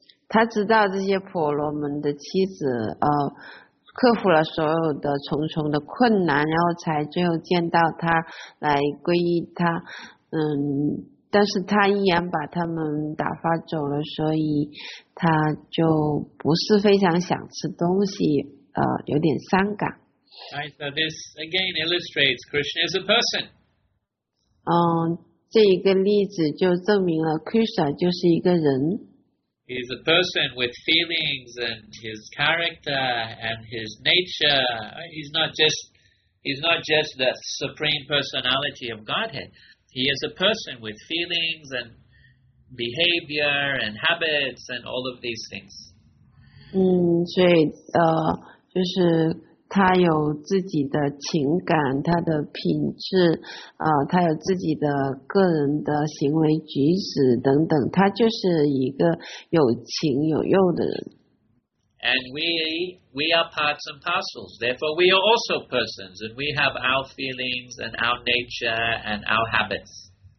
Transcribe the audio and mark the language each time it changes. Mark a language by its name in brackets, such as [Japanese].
[Chinese] 他知道这些婆罗门的妻子克服了所有的重重的困难，然后才最后见到他来皈依他。但是他依然把他们打发走了，所以他就不是非常想吃东西，有点伤感。 [English] Right, so this again illustrates Krishna as a person. [Chinese] 这一个例子就证明了 Krishna 就是一个人。 [English] He's a person with feelings and his character and his nature. He's not just the supreme personality of Godhead. He is a person with feelings and behavior and habits and all of these things. [Chinese] 所以就是他有自己的情感，他的品质，他有自己的个人的行为举止等等，他就是一个有情有用的人。 [English] And we are parts and parcels. Therefore, we are also persons, and we have our feelings and our nature and our habits.